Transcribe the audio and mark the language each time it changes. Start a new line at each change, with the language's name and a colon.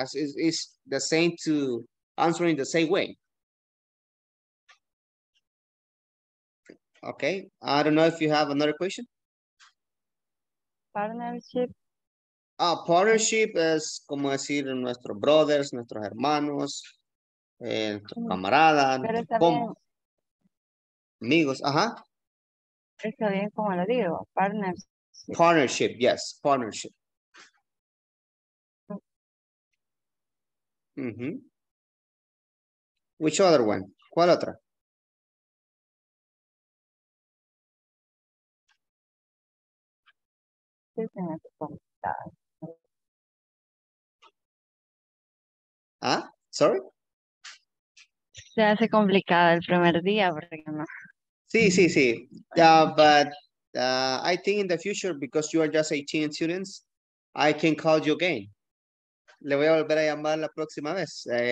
English: It's the same to answering the same way. Okay, I don't know if you have another question. Partnership.
Spanish: Partnership es como decir nuestros
English: brothers,
Spanish: nuestros hermanos, nuestros camaradas, amigos, ajá. Está bien como lo digo, partnership.
English: Partnership, yes, partnership. Mm-hmm. Which other one?
Spanish: ¿Cuál otra?
English: Ah, sorry.
Spanish: Se hace complicado el primer día, porque no. Sí.
English: But I think in the future, because you are just 18 students, I can call you again.
Spanish: Le voy a volver a llamar la próxima vez.